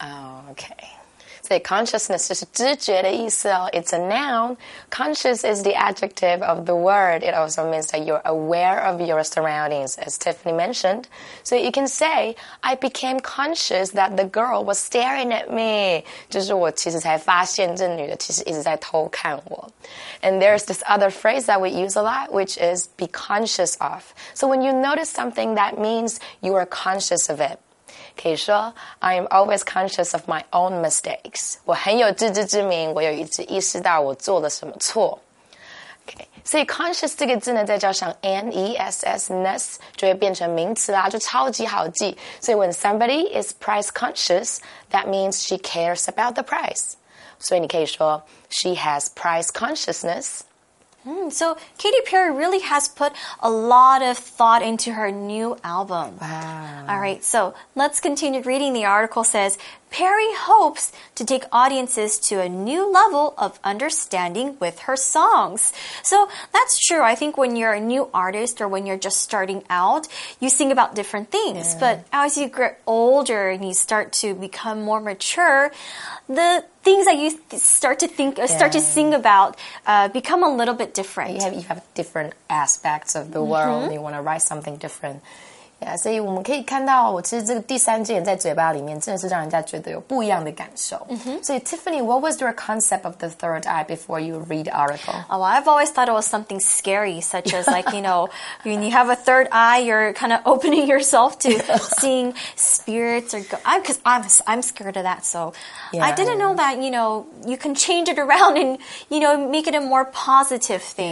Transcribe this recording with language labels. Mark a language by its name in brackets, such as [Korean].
[English] Oh, okay. So consciousness [Chinese] 就是知觉的意思哦 [English] It's a noun. Conscious is the adjective of the word. It also means that you're aware of your surroundings, as Tiffany mentioned. So you can say, I became conscious that the girl was staring at me. [Chinese] 就是我其实才发现这女的其实一直在偷看我。 [English] And there's this other phrase that we use a lot, which is be conscious of. So when you notice something, that means you are conscious of it. [Chinese] 可以说 [English] I am always conscious of my own mistakes. [Chinese] 我很有自知之明，我有一直意识到我做了什么错。 Okay, 所以 conscious 这个字呢，再加上 N-E-S-S-ness 就会变成名词啦，就超级好记。所以 [English] when somebody is price conscious, that means she cares about the price. [Chinese] 所以你可以说 [English] she has price consciousness. So Katy Perry really has put a lot of thought into her new album. Wow. All right, so let's continue reading. The article says, Perry hopes to take audiences to a new level of understanding with her songs. So that's true. I think when you're a new artist or when you're just starting out, you sing about different things. Yeah. But as you get older and you start to become more mature, the... things that you start to think, start to sing about, become a little bit different. You have different aspects of the world. Mm-hmm. You want to write something different. [Chinese] Yeah, 所以我们可以看到，其实这个第三句眼在嘴巴里面，真的是让人家觉得有不一样的感受。 [English] Mm-hmm. So Tiffany, what was your concept of the third eye before you read the article? Oh, I've always thought it was something scary, such as like, you know, when you have a third eye, you're kind of opening yourself to seeing spirits or ghosts. Because I'm scared of that, so... Yeah, I didn't know that, you know, you can change it around and, you know, make it a more positive thing.